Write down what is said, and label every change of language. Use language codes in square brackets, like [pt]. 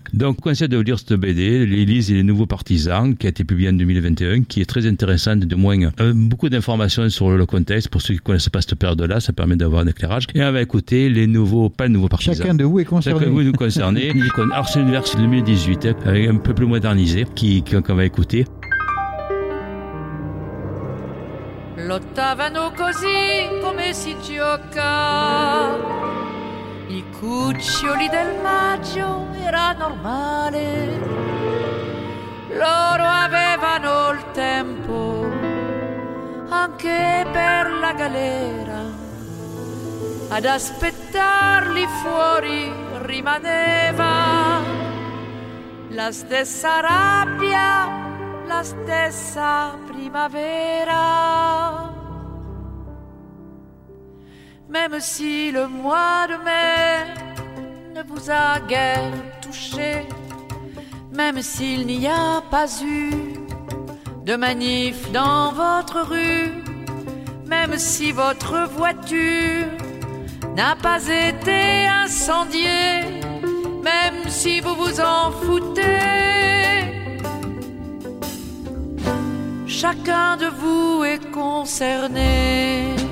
[fr] Donc, je conseille de lire cette BD, L'Élise et les nouveaux partisans, qui a été publiée en 2021, qui est très intéressante, du moins beaucoup d'informations sur le contexte. Pour ceux qui ne connaissent pas cette période-là, ça permet d'avoir un éclairage. Et on va écouter les nouveaux, pas les nouveaux partisans. Chacun de vous est concerné. Chacun de vous est concerné. Alors, c'est une version 2018. Hein. Avec un peu plus modernisé, qu'on va écouter. [it] Lottavano così come si gioca. I cuccioli del maggio era normale. Loro avevano il tempo anche per la galera. Ad aspettarli fuori rimaneva. La stessa rabbia, la stessa primavera. [fr] Même si le mois de mai ne vous a guère touché, même s'il n'y a pas eu de manif dans votre rue, même si votre voiture n'a pas été incendiée, même si vous vous en foutez, chacun de vous est concerné.